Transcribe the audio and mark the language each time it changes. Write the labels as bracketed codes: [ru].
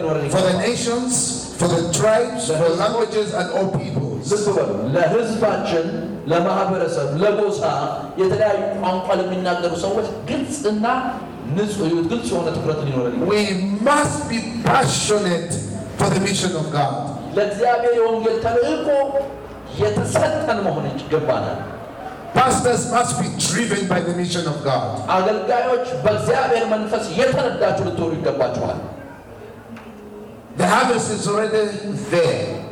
[en] For the nations, for the tribes, for languages, and all people. [am] ለህዝባችን ለማህበረሰብ ለጎሳ የተለያየ ቋንቋ ለሚናገሩ ሰዎች ግልጽ እና ንጹህ ይሁን ግልጽ የሆነ ትኩረት ሊኖረን [en] We must be passionate for the mission of God. [am] ለእግዚአብሔር የወንጌል ተልዕኮ የተሰጠን መሆን ይገባናል. [en] Pastors must be driven by the mission of God. [am] አገልጋዮች በእግዚአብሔር መንፈስ የተነዳችሁ ልትሆኑ ይገባችኋል. [en] The harvest is already there.